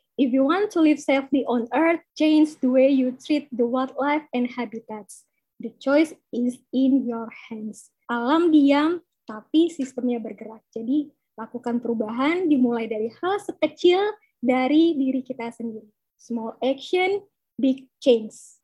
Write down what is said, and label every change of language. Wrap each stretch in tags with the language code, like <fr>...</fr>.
<en>If you want to live safely on earth, change the way you treat the wildlife and habitats. The choice is in your hands.</en> <id>Alam diam, tapi sistemnya bergerak. Jadi, lakukan perubahan dimulai dari hal sekecil dari diri kita sendiri.</id> <en>Small action, big change.</en>